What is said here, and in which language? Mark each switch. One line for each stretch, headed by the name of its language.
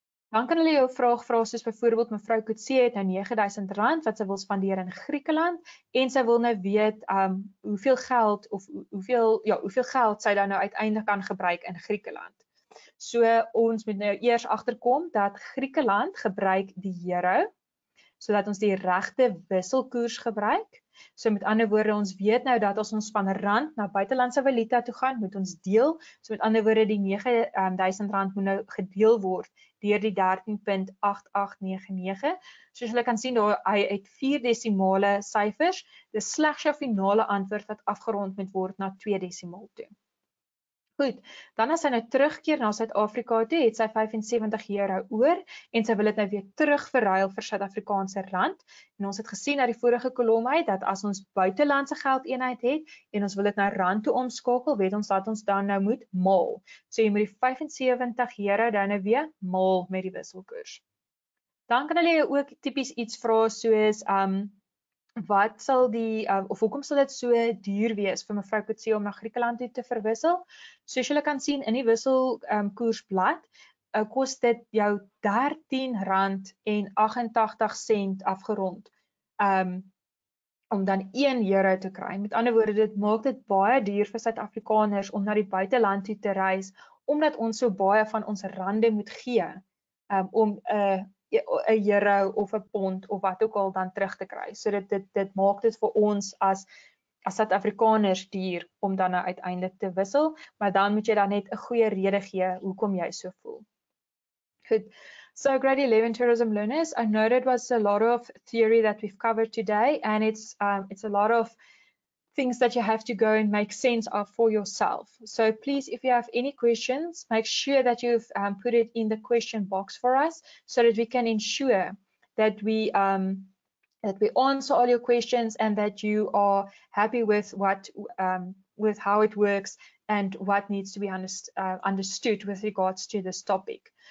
Afrikaans: Dan kan hulle jou vraag vra soos byvoorbeeld mevrou Kutsie het nou R9000 wat sy wil spandeer in Griekeland en sy wil nou weet hoeveel geld sy dan nou uiteindelik kan gebruik in Griekeland. So ons moet nou eers agterkom dat Griekeland gebruik die euro sodat ons die regte wisselkoers gebruik. So met ander woorde, ons weet nou dat as ons van rand na buitelandse valuta toe gaan, moet ons deel. So met ander woorde, die R9000 moet nou gedeel word deur die 13.8899. Soos jy kan sien, daar hy het 4 desimale syfers. Dis slegs jou finale antwoord wat afgerond moet word na 2 desimaal toe. Goed, dan as sy nou terugkeer na Suid-Afrika toe, het sy 75 euro oor en sy wil dit nou weer terugverruil vir Suid-Afrikaanse rand. En ons het gesien na die vorige kolom uit dat as ons buitelandse geld eenheid het en ons wil dit nou rand toe omskakel, weet ons dat ons dan nou moet maal. So jy moet die 75 euro dan nou weer maal met die wisselkoers. Dan kan hulle jou ook tipies iets vra soos wat sal die, of hoekom sal dit so duur wees vir mevrou Kutsie om na Griekeland toe te verwissel? Soos julle kan sien in die wisselkoersblad, kost dit jou R13.88 afgerond om dan 1 euro te kry. Met ander woorde, dit maak dit baie duur vir Suid-Afrikaners om na die buiteland toe te reis, omdat ons so baie van ons rande moet gee om 'n euro of 'n pond of wat ook al dan terug te kry. So dit maak dit vir ons as Suid-Afrikaners duur om dan nou uiteindelik te wissel, maar dan moet jy dan net 'n goeie rede gee hoekom jy so voel.
English: Good. So grade 11 tourism learners, I know that was a lot of theory that we've covered today, and it's a lot of things that you have to go and make sense of for yourself. So please, if you have any questions, make sure that you've put it in the question box for us so that we can ensure that we answer all your questions and that you are happy with what with how it works and what needs to be understood with regards to this topic.